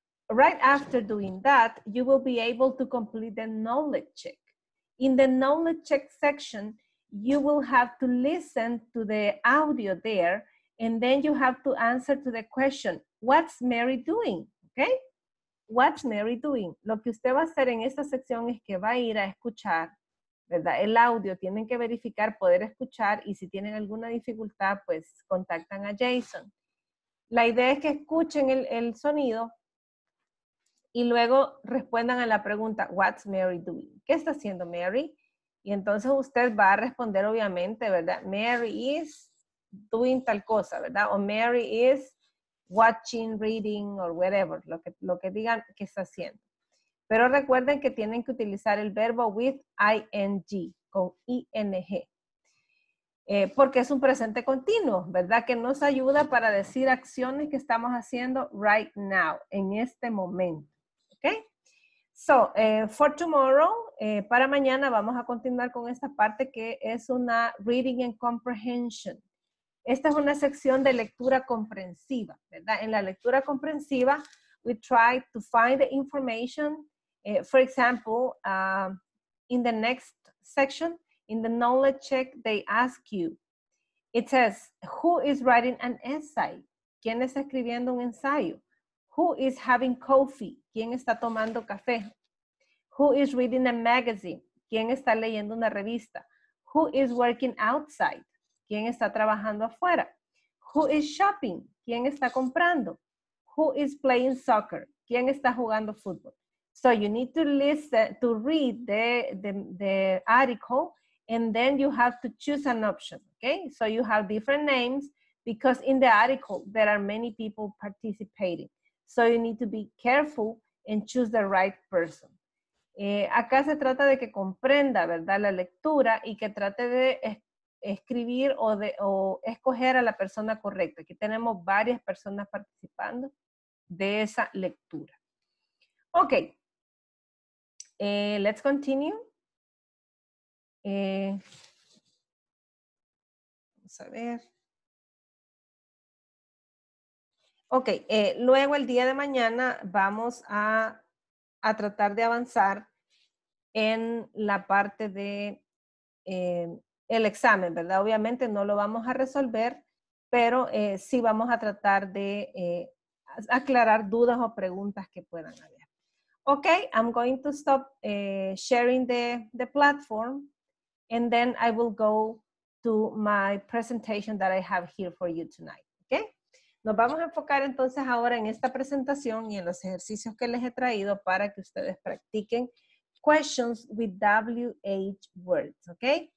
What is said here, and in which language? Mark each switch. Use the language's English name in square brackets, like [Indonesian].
[English] Right after doing that, you will be able to complete the knowledge check. In the knowledge check section, you will have to listen to the audio there, and then you have to answer to the question, what's Mary doing? Okay? What's Mary doing? [Spanish] Lo que usted va a hacer en esta sección es que va a ir a escuchar, ¿verdad? El audio, tienen que verificar, poder escuchar, y si tienen alguna dificultad, pues contactan a Jason. La idea es que escuchen el sonido, y luego respondan a la pregunta, [English] what's Mary doing? [Spanish] ¿Qué está haciendo Mary? Y entonces usted va a responder obviamente, ¿verdad? [English] Mary is doing [Spanish] tal cosa, ¿verdad? [English] O Mary is watching, reading, or whatever, [Spanish] lo que digan que está haciendo. Pero recuerden que tienen que utilizar el verbo [English] with ing, [Spanish] con ing. Porque es un presente continuo, ¿verdad? Que nos ayuda para decir acciones que estamos haciendo [English] right now, [Spanish] en este momento. [English] Okay, so for tomorrow, [Spanish] para mañana vamos a continuar con esta parte que es una [English] reading and comprehension. [Spanish] Esta es una sección de lectura comprensiva, ¿verdad? En la lectura comprensiva, [English] we try to find the information. For example, in the next section, in the knowledge check, they ask you, it says, who is writing an essay? [Spanish] ¿Quién está escribiendo un ensayo? [English] Who is having coffee? [Spanish] ¿Quién está tomando café? [English] Who is reading a magazine? [Spanish] ¿Quién está leyendo una revista? [English] Who is working outside? [Spanish] ¿Quién está trabajando afuera? [English] Who is shopping? [Spanish] ¿Quién está comprando? [English] Who is playing soccer? [Spanish] ¿Quién está jugando fútbol? [English] So you need to listen, to read the article, and then you have to choose an option, okay? So you have different names, because in the article, there are many people participating. So you need to be careful and choose the right person. [Spanish] Acá se trata de que comprenda, ¿verdad?, la lectura y que trate de escribir o escoger a la persona correcta. Aquí tenemos varias personas participando de esa lectura. [English] Ok. Let's continue. [Spanish] Vamos a ver. [English] Ok. [Spanish] Luego el día de mañana vamos a tratar de avanzar en la parte de el examen, ¿verdad? Obviamente no lo vamos a resolver, pero sí vamos a tratar de aclarar dudas o preguntas que puedan haber. [English] Ok, I'm going to stop sharing the platform, and then I will go to my presentation that I have here for you tonight. [Spanish] Ok, nos vamos a enfocar entonces ahora en esta presentación y en los ejercicios que les he traído para que ustedes practiquen [English] questions with WH words, okay?